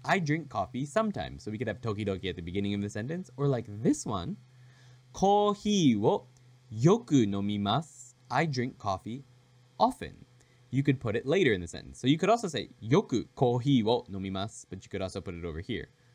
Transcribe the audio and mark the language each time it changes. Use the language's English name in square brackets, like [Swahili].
[English] I drink coffee sometimes. So we could have 時々 at the beginning of the sentence, or like this one. [Japanese] コーヒーをよく飲みます. [English] I drink coffee often. You could put it later in the sentence. So you could also say [Japanese] よくコーヒーを飲みます, [English] but you could also put it over here.